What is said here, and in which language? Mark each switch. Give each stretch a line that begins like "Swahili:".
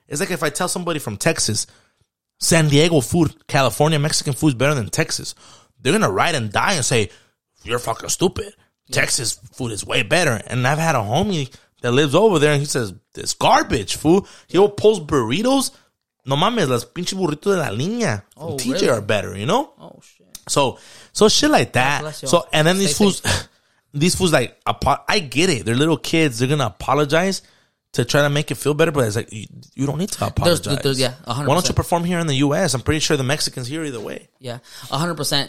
English: It's like if I tell somebody from Texas, San Diego food, California Mexican food is better than Texas, they're going to ride and die and say, you're fucking stupid. Yeah. Texas food is way better. And I've had a homie that lives over there, and he says, it's garbage, fool. He'll post burritos.
Spanish: No mames, las pinche burritos de la línea.
English: Oh, TJ really? Are better, you know? Oh, shit. So shit like that. So, and then these fools, like, I get it. They're little kids. They're going to apologize to try to make it feel better, but it's like, you don't need to apologize. There's 100%. Why don't you perform here in the U.S.? I'm pretty sure the Mexicans here either way. Yeah, 100%.